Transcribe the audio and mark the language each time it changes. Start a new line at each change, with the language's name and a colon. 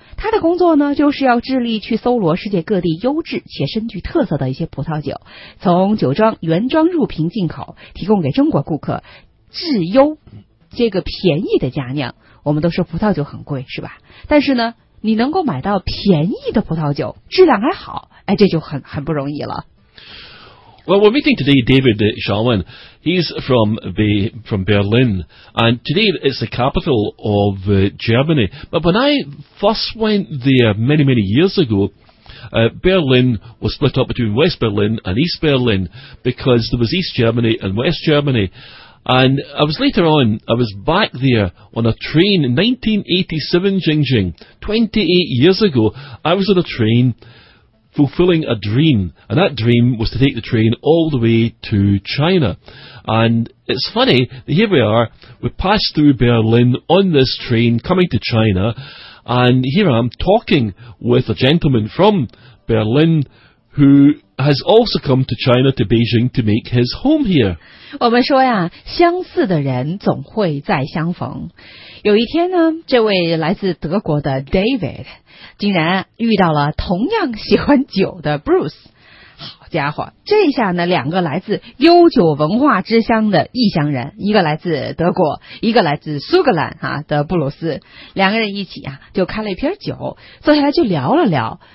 Chinese: 他的工作呢，就是要致力去搜罗世界各地优质且深具特色的一些葡萄酒，从酒庄原装入瓶进口，提供给中国顾客质优这个便宜的佳酿。我们都说葡萄酒很贵是吧，但是呢你能够买到便宜的葡萄酒，质量还好，哎，这就很不容易了。
English: Well, we're meeting today David Schaumann. He's from Berlin, and today it's the capital of Germany. But when I first went there many, many years ago,Berlin was split up between West Berlin and East Berlin because there was East Germany and West Germany. And I was later on, I was back there on a train in 1987, Jingjing, 28 years ago, I was on a train fulfilling a dream. And that dream was to take the train all the way to China. And it's funny, here we are, we passed through Berlin on this train coming to China, and here I am talking with a gentleman from Berlin who... has also come to China, to Beijing, to make his home here.
Chinese: 我们说呀，相似的人总会再相逢。有一天呢，这位来自德国的 David 竟然遇到了同样喜欢酒的 Bruce。好家伙，这下呢，两个来自悠久文化之乡的异乡人，一个来自德国，一个来自苏格兰啊的布鲁斯，两个人一起啊就开了一瓶酒，坐下来就聊了聊。